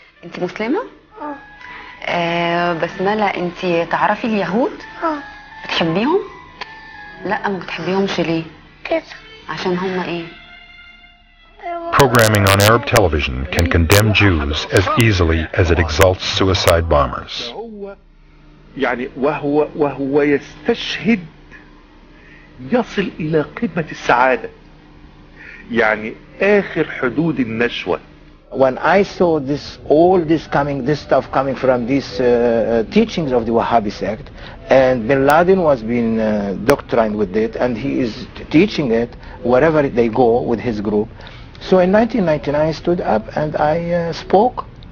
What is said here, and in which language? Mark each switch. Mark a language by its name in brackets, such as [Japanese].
[Arabic] انت مسلمة؟ بس مالا انت تعرفي اليهود؟ بتحبيهم؟ لا ما بتحبيهمش ليه؟ كده عشان هم ايه؟ [English] Programming on Arab television can condemn Jews as easily as it exalts suicide bombers. [Arabic] يعني وهو يستشهد يصل إلى قمة السعادة يعني آخر حدود النشوة. [English] When I saw this, all this coming, this stuff coming from these teachings of the Wahhabi sect, and Bin Laden was being doctrined with it, and he is teaching it wherever they go with his group. So in 1999, I stood up and I spoke.